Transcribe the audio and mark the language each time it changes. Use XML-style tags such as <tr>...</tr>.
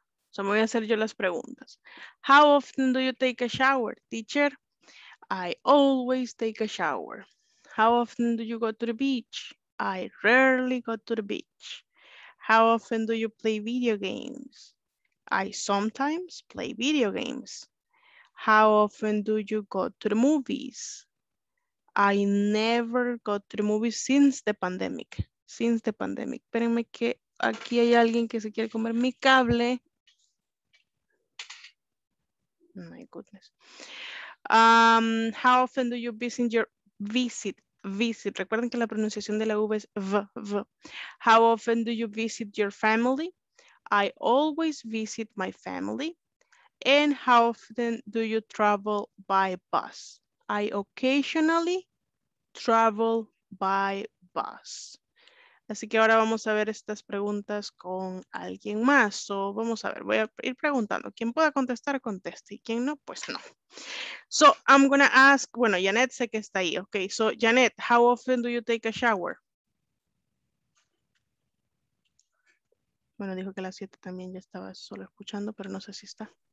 <es>So, me voy a hacer yo las preguntas.</es> <en>How often do you take a shower, teacher? I always take a shower. How often do you go to the beach? I rarely go to the beach. How often do you play video games? I sometimes play video games. How often do you go to the movies? I never go to the movies since the pandemic. Since the pandemic.</en> <es>Espérenme que aquí hay alguien que se quiere comer mi cable.</es> <en>My goodness. How often do you visit your visit?</en> <es>Recuerden que la pronunciación de la V es V, V.</es> <en>How often do you visit your family? I always visit my family. And how often do you travel by bus? I occasionally travel by bus.</en> <es>Así que ahora vamos a ver estas preguntas con alguien más. So, vamos a ver, voy a ir preguntando. Quien pueda contestar, conteste. Y quien no, pues no.</es> <en>So, I'm going to ask,</en> <es>bueno, Janet sé que está ahí.</es> <en>Okay, so, Janet, how often do you take a shower?</en> <es>Bueno, dijo que a las 7 también ya estaba solo escuchando, pero no sé si está.</es>